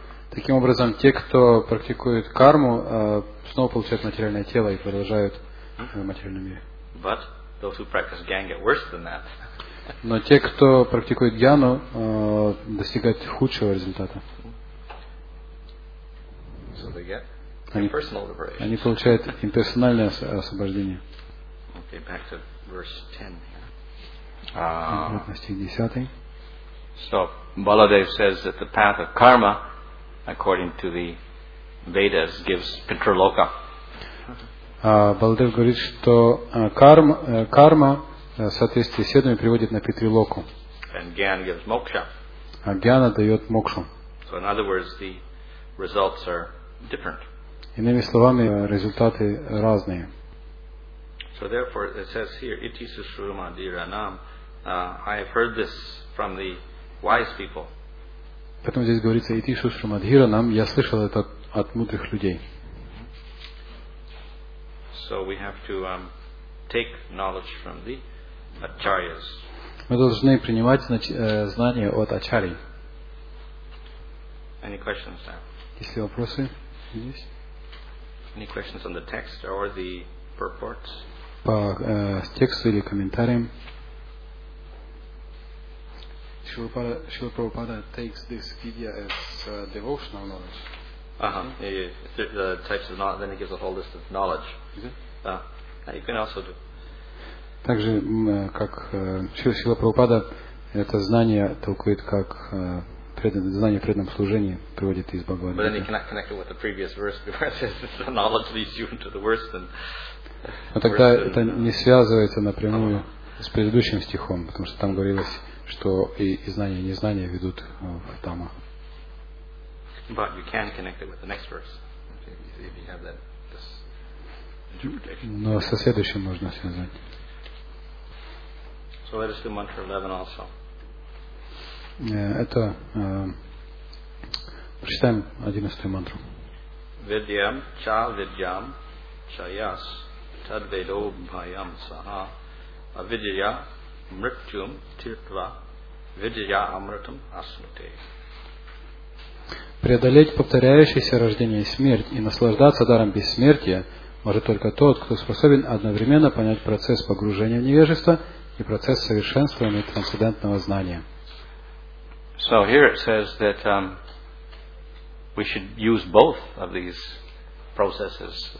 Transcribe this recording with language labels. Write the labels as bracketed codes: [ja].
[ru] Таким образом, те, кто практикует карму, снова получают материальное тело и продолжают в материальном мире. [en] But those who practice gyan get worse than that. [ru] Но те, кто практикует гьяну, достигают худшего результата. Они получают имперсональное освобождение. [en] Okay, back to verse 10. [ru] Стих 10. [en] So Baladev says that the path of karma, according to the Vedas, gives Pitraloka. [ru] Баладев говорит, что карма в соответствии с седами приводит на Питрилоку. [en] And gyan gives moksha. [ru] А гьяна дает мокшу. [en] So in other words, the results are different. [ru] Иными словами, результаты разные. [en] So therefore it says here, [sa] iti susruma diranam. [en] I have heard this from the wise people. [ru] Поэтому здесь говорится, [sa] iti susruma diranam. [ru] Я слышал это от мудрых людей. [en] So we have to take knowledge from the acharyas. [ru] Мы должны принимать знания от ачарий. [en] Any questions now? [ru] Есть вопросы? Есть? [en] Any questions on the text or the purports? [ru] По тексту или комментариям? [en] Шрила Прабхупада takes this vidya as devotional knowledge. The text of knowledge, then he gives a whole list of knowledge. You can also do. [ru] Также, как Шрила Прабхупада, это знание толкует как знание в преданном служении приводит из Бхагавад-гиты. [en] But then he cannot connect it with the previous verse because the knowledge leads you into the worst and worse. [ru] Но тогда это не связывается напрямую с предыдущим стихом, потому что там говорилось, что и знания, и незнания ведут в тама. [en] But you can connect it with the next verse if you have that this interpretation. [ru] Но со следующим можно связать. [en] So let us do mantra 11 also. [ru] Это прочитаем 11-ю мантру. [sa] Видьям ча видьям чаяс тадведо бхайам саха авидья мртюм тиртва видья амратам аснуте. [ru] Преодолеть повторяющееся рождение и смерть и наслаждаться даром бессмертия может только тот, кто способен одновременно понять процесс погружения в невежество и процесс совершенствования трансцендентного знания. [en] So here it says that we should use both of these processes.